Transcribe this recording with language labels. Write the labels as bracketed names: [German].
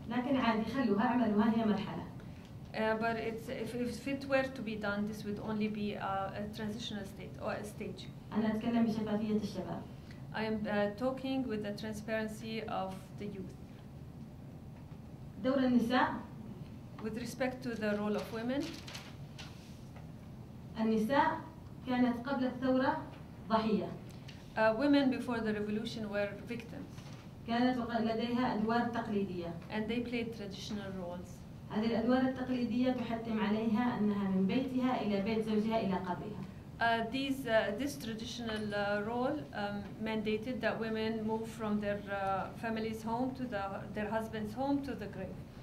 [Arabic] لكن عادي خلوها عمل وهي مرحلة. [English] But it's if it were to be done, this would only be a transitional state or a stage. [Arabic] أنا أتكلم بشفافية الشباب. [English] I am talking with the transparency of the youth. [Arabic] دور النساء. [English] With respect to the role of women, [Arabic] النساء كانت قبل الثورة ضحية. [English] Women before the revolution were victims. [Arabic] كانت لديها أدوار تقليدية. [English] And they played traditional roles. [Arabic] هذه الأدوار التقليدية تحتم عليها أنها من بيتها إلى بيت زوجها إلى قبرها. [English] This traditional role mandated that women move from their family's home to their husband's home to the grave.